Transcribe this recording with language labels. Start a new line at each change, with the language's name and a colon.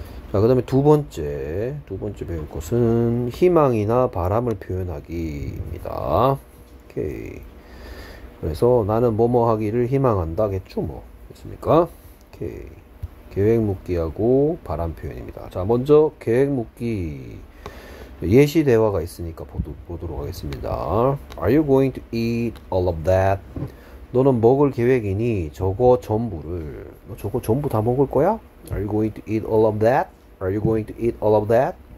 Korean: 자, 그다음에 두 번째 배울 것은 희망이나 바람을 표현하기입니다. 오케이. 그래서 나는 뭐뭐 하기를 희망한다겠죠, 뭐. 됐습니까? 오케이. 계획 묻기하고 바람 표현입니다. 자, 먼저 계획 묻기. 예시 대화가 있으니까 보도록 하겠습니다.
English: Are you going to eat all of that?
Korean: 너는 먹을 계획이니 저거 전부를. 너 저거 전부 다 먹을 거야?
English: Are you going to eat all of that? Are you going to eat all of that?